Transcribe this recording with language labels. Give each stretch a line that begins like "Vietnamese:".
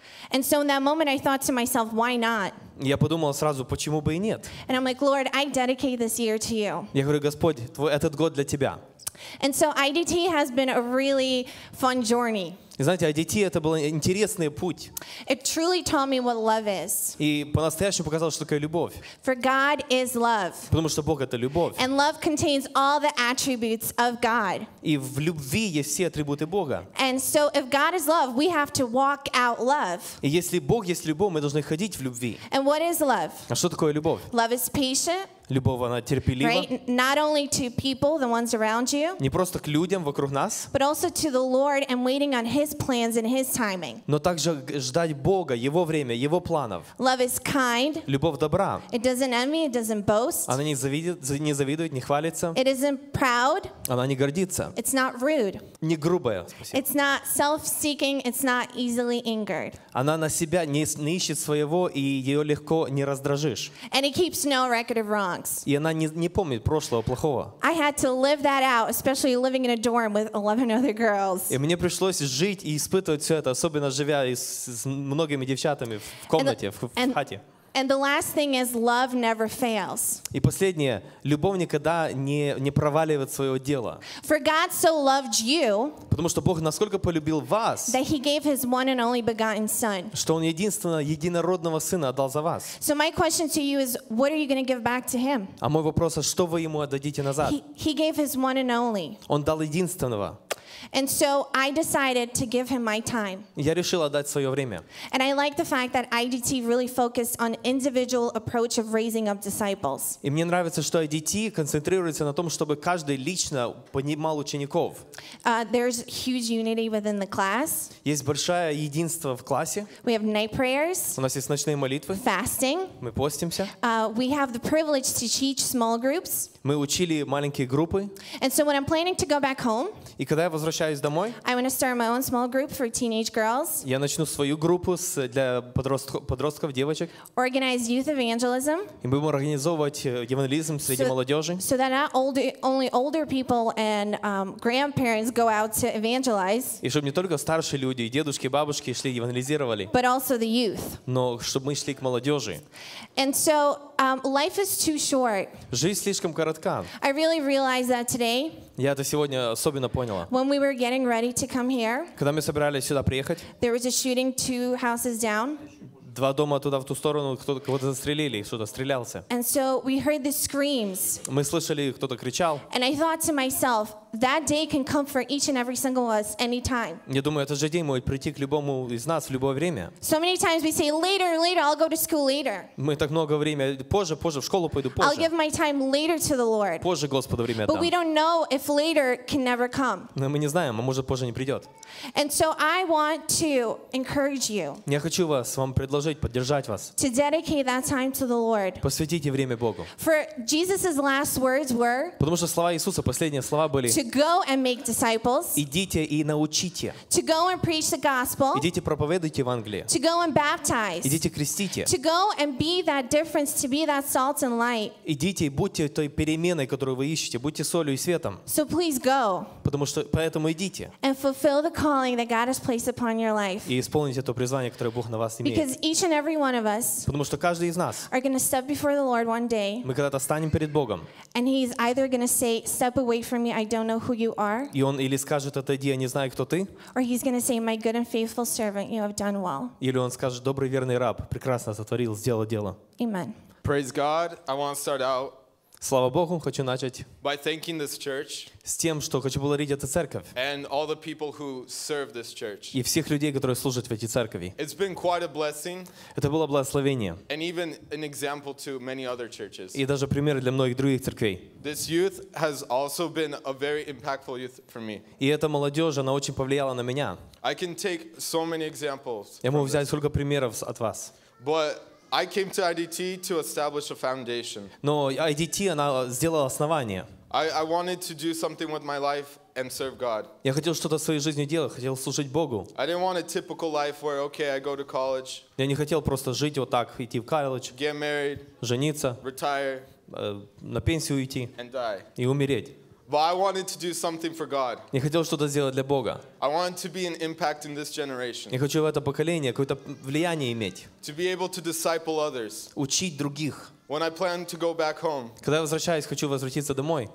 English: And so in that moment I thought to myself, why not?
Russian: Я подумал сразу, почему бы и нет?
English: And I'm like, Lord, I dedicate this year to you.
Russian: Я говорю, Господь, твой этот год для тебя.
English: And so IDT has been a really fun journey.
Russian: И знаете, IDT это был интересный путь.
English: It truly taught me what love is.
Russian: И по-настоящему показал, что такое любовь.
English: For God is love.
Russian: Потому что Бог это любовь.
English: And love contains all the attributes of God.
Russian: И в любви есть все атрибуты Бога.
English: And so if God is love, we have to walk out love.
Russian: И если Бог есть любовь, мы должны ходить в любви.
English: And what is love?
Russian: А что такое любовь?
English: Love is patient.
Russian: Любовь, она терпелива. Right?
English: Not only to people, the ones around you.
Russian: Не просто к людям вокруг нас.
English: But also to the Lord and waiting on His plans and His timing.
Russian: Но также ждать Бога, Его время, Его планов.
English: Love is kind.
Russian: Любовь добра.
English: It doesn't envy, it doesn't boast.
Russian: Она не завидит, не завидует, не хвалится.
English: It isn't proud.
Russian: Она не гордится.
English: It's not rude.
Russian: Не грубая. Спасибо.
English: It's not self-seeking, it's not easily angered.
Russian: Она на себя не ищет своего, и ее легко не раздражишь.
English: And it keeps no record of wrong.
Russian: И она не помнит прошлого плохого.
English: I had to live that out, especially living in a dorm with 11 other girls.
Russian: И мне пришлось жить и испытывать все это, особенно живя с многими девчатами в комнате, в хате.
English: And the last thing is love never fails.
Russian: И последнее, любовь никогда не проваливает своего дела.
English: For God so loved you.
Russian: Потому что Бог настолько полюбил вас.
English: That he gave his one and only begotten son.
Russian: Что он единородного сына отдал за вас.
English: So my question to you is, what are you going to give back to him?
Russian: А мой вопрос, а что вы ему отдадите назад?
English: He gave his one and only.
Russian: Он дал единственного.
English: And so I decided to give him my time.
Ukrainian: Я решила дати своє время.
English: And I like the fact that IDT really focused on individual approach of raising up disciples.
Ukrainian: І мені подобається, що IDT концентрується на тому, щоб кожен лично піднімав учнів.
English: There's huge unity within the class.
Ukrainian: Є велике єдинство в класі.
English: We have night prayers.
Ukrainian: У нас є нічні молитви.
English: Fasting.
Ukrainian: Ми постимося.
English: We have the privilege to teach small groups.
Ukrainian: Ми вчили маленькі групи.
English: And so when I'm planning to go back home,
Ukrainian: і коли я
Russian: возвращаюсь домой,
English: I want to start my own small group for teenage girls.
Russian: Я начну свою групу для подростков, дівчаток.
English: Organize youth evangelism.
Ukrainian: І будемо організовувати евангелізм серед молодіжі.
English: So that not only older people and grandparents go out to evangelize.
Ukrainian: І щоб не тільки старші люди, і дідусі, і бабусі йшли евангелізували.
English: But also the youth.
Ukrainian: Но щоб ми йшли к молодіжі.
English: And so life is too short.
Russian: Жизнь слишком коротка.
English: I really realized that today.
Ukrainian: Я це сьогодні особливо поняла.
English: When we were getting ready to come here.
Ukrainian: Коли ми збиралися сюди приїхати.
English: There was a shooting two houses down.
Russian: Два дома туди, в ту сторону, кого-то застрелили,
Ukrainian: хтось стрілявся.
English: And so we heard the screams.
Ukrainian: Ми слышали, хтось кричав.
English: And I thought to myself, that day can come for each and every single of us anytime.
Russian: Я думаю, этот же день может прийти к любому из нас в любое время. So many times we say, later, later, I'll go to school later. Ми так много времени, позже, позже, в школу пойду, позже. I'll give my time later to the Lord. Позже Господу время дам.
English: But we don't know if later can never come.
Russian: Но мы не знаем, а может позже не придет.
English: And so I want to encourage you.
Russian: Я хочу вам предложить, поддержать вас.
English: To dedicate that time to the Lord.
Russian: Посвятите время Богу.
English: For Jesus' last words were.
Russian: Потому что слова Иисуса, последние слова были.
English: To go and make disciples.
Russian: Идите и научите.
English: To go and preach the gospel.
Russian: Идите проповедуйте Евангелие.
English: To go and baptize.
Russian: Идите крестите.
English: To go and be that difference, to be that salt and light.
Russian: Идите и будьте той переменой, которую вы ищете. Будьте солью и светом.
English: So please go.
Russian: Потому что поэтому идите.
English: And fulfill the calling that God has placed upon your life.
Russian: И исполните то призвание, которое Бог на вас имеет.
English: Because each and every one of us.
Russian: Потому что каждый из нас.
English: Are going to step before the Lord one day.
Russian: Мы когда-то станем перед Богом.
English: And He's either going to say, "Step away from me, I don't." Know who you are?
Russian: И он или скажет: "Отойди, я не знаю, кто ты?"
English: Or he's going to say, "My good and faithful servant, you have done well."
Russian: Или он скажет: "Добрый верный раб, прекрасно сотворил, сделал дело."
English: Amen. Praise God. I want to start out.
Russian: Слава Богу, хочу начать.
English: By thanking this church.
Russian: С тем, что хочу благодарить эту церковь.
English: And all the people who serve this church.
Russian: И всех людей, которые служат в этой церкви.
English: It's been quite a blessing.
Russian: Это было благословение.
English: And even an example to many other churches.
Russian: И даже пример для многих других церквей.
English: This youth has also been a very impactful youth for me.
Russian: И эта молодежь, она очень повлияла на меня.
English: I can take so many examples.
Russian: Я могу взять столько примеров от вас.
English: But I came to IDT to establish a foundation.
Russian: Но IDT она сделала основание.
English: I wanted to do something with my life and serve God.
Russian: Я хотел что-то в своей жизни делать, хотел служить Богу.
English: I didn't want a typical life where okay, I go to college.
Russian: Я не хотел просто жить вот так, идти в колледж.
English: Get married.
Russian: Жениться.
English: Retire.
Russian: На пенсию уйти.
English: And die.
Russian: И умереть.
English: But I wanted to do something for God.
Russian: Я хотел что-то сделать для Бога.
English: I wanted to be an impact in this generation.
Russian: Я хочу в это поколение какое-то влияние иметь.
English: To be able to disciple others.
Russian: Учить других.
English: When I plan to go back home.
Russian: Когда я возвращаюсь, хочу возвратиться домой.